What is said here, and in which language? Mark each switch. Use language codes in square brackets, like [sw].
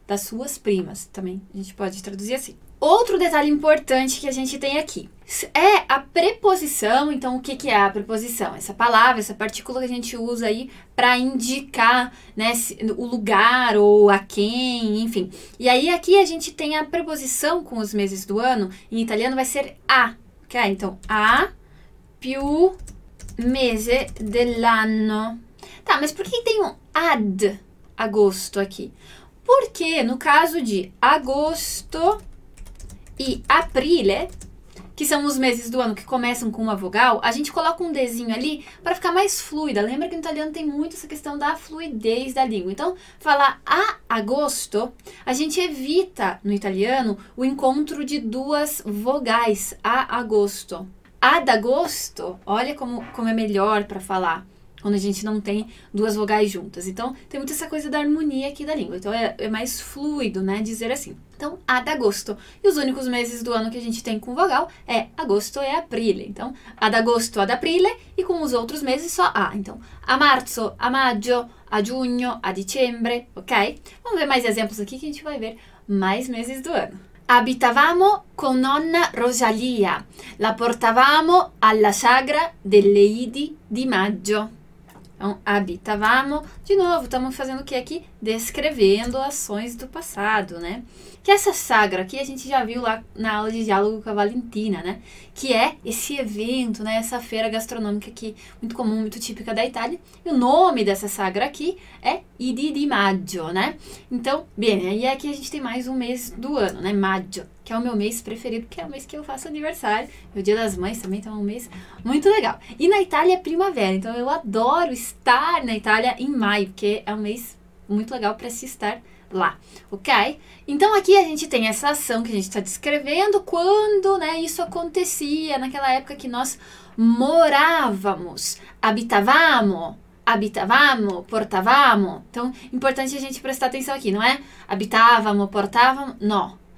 [pt] Das suas primas também. A gente pode traduzir assim. Outro detalhe importante que a gente tem aqui é a preposição. Então, o que, que é a preposição? Essa palavra, essa partícula que a gente usa aí para indicar, né, o lugar ou a quem, enfim. E aí, aqui a gente tem a preposição com os meses do ano. Em italiano vai ser a, ok? [it] Então, a più mese dell'anno. [pt] Tá, mas por que tem um ad agosto aqui? Porque no caso de agosto e aprile, que são os meses do ano que começam com uma vogal, a gente coloca um dzinho ali para ficar mais fluida. Lembra que no italiano tem muito essa questão da fluidez da língua. Então, falar a agosto, a gente evita no italiano o encontro de duas vogais, a agosto. Ad agosto, olha como é melhor para falar. quando a gente não tem duas vogais juntas. Então, tem muito essa coisa da harmonia aqui da língua. Então, é mais fluido, né, dizer assim. Então, ad agosto. E os únicos meses do ano que a gente tem com vogal é agosto e aprile. Então, ad agosto, ad aprile. E com os outros meses, só a. [it] Então, a marzo, a maggio, a giugno, a dicembre, ok? [pt] Vamos ver mais exemplos aqui que a gente vai ver mais meses do ano. [it] Abitavamo con nonna Rosalia. La portavamo alla sagra delle Idi di maggio. [pt] Então, abitavamo. De novo, estamos fazendo o que aqui? Descrevendo ações do passado, né? Que essa sagra aqui a gente já viu lá na aula de diálogo com a Valentina, né? Que é esse evento, né? Essa feira gastronômica aqui, muito comum, muito típica da Itália. E o nome dessa sagra aqui é Idi di maggio, né? Então, bem, aí aqui a gente tem mais um mês do ano, né? Maggio, que é o meu mês preferido, que é o mês que eu faço aniversário. Meu Dia das Mães também, então é um mês muito legal. E na Itália é primavera, então eu adoro estar na Itália em maio, porque é um mês muito legal para se estar lá, ok? Então aqui a gente tem essa ação que a gente está descrevendo, quando, né, isso acontecia, naquela época que nós morávamos, habitavamo, portavamo. Então, importante a gente prestar atenção aqui, não é? [it] Habitavamo, portavamo, no.